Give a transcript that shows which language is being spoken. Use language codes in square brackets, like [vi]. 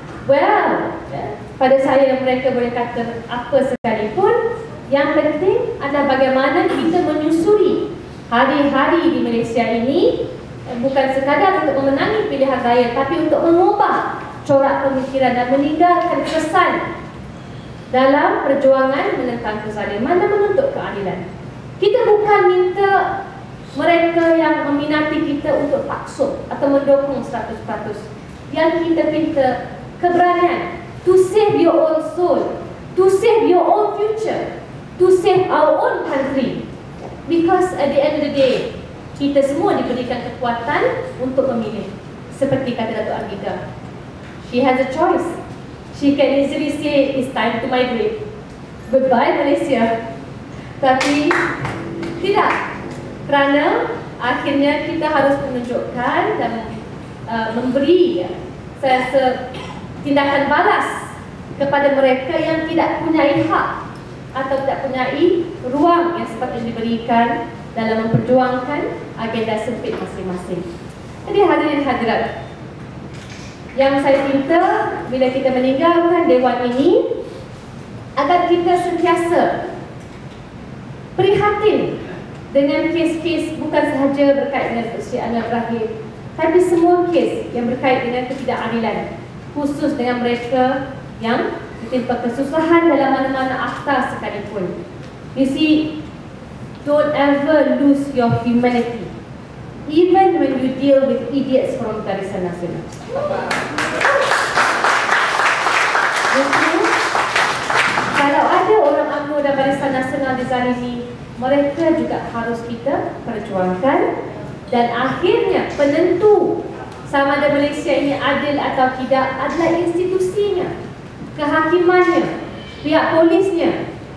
[ms] Well, pada saya mereka boleh kata apa sekalipun, yang penting adalah bagaimana kita menyusuri hari-hari di Malaysia ini, bukan sekadar untuk memenangi pilihan raya, tapi untuk mengubah corak pemikiran dan meninggalkan kesan dalam perjuangan menentang kezaliman dan menuntut keadilan. Kita bukan minta mereka yang meminati kita untuk paksut atau mendukung 100%. Yang kita minta keberanian [en] to save your own soul, to save your own future, to save our own country. Because at the end of the day, [ms] kita semua diberikan kekuatan untuk memilih. Seperti kata Dato' Amida, [en] she has a choice. She can easily say it's time to migrate, goodbye Malaysia. [ms] Tapi tidak, kerana akhirnya kita harus menunjukkan dan memberi saya rasa tindakan balas kepada mereka yang tidak punya hak atau tidak punya ruang yang sepatutnya diberikan dalam memperjuangkan agenda sempit masing-masing. Jadi hadirin hadirat yang saya cinta, bila kita meninggalkan dewan ini, agar kita sentiasa prihatin dengan kes-kes bukan sahaja berkait dengan persediaan yang berakhir, tapi semua kes yang berkait dengan ketidakadilan, khusus dengan mereka yang ditimpa kesusahan dalam mana-mana akta sekalipun. [en] You see, don't ever lose your humanity, even when you deal with idiots from Barisan Nasional. [ms] Kalau ada orang UMNO dan Barisan Nasional di zalimi, mereka juga harus kita perjuangkan. Dan akhirnya penentu sama ada Malaysia ini adil atau tidak adalah institusinya, kehakimannya, pihak polisnya.